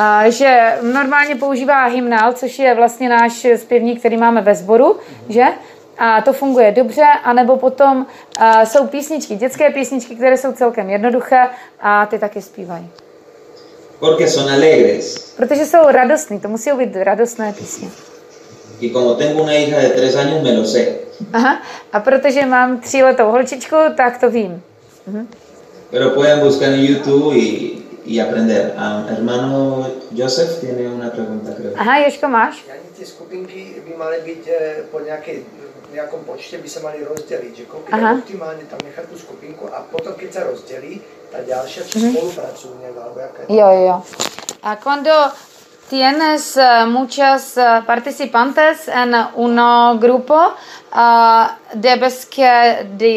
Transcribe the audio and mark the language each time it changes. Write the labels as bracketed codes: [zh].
[cs] Že normálně používá hymnál, což je vlastně náš zpěvník, který máme ve sboru, že? A to funguje dobře, anebo potom jsou písničky, dětské písničky, které jsou celkem jednoduché a ty taky zpívají. [es] Porque son alegres. [cs] Protože jsou radostní, to musí být radostné písně. [es] Y como tengo una hija de 3 años, me lo sé. [cs] Aha, a protože mám 3letou holčičku, tak to vím. [es] Pero pueden buscar en YouTube y aprender. Hermano Joseph tiene una pregunta, creo. [cs] Aha, Ježko, máš? Jaký ty skupinky by mali být po nějakém počtě, by se mali rozdělit, že optimálně tam nechat tu skupinku a potom, když se rozdělí, ta další spolupracuje, nebo jaké? Jo. [es] A cuando tienes muchas participantes en uno grupo, debes que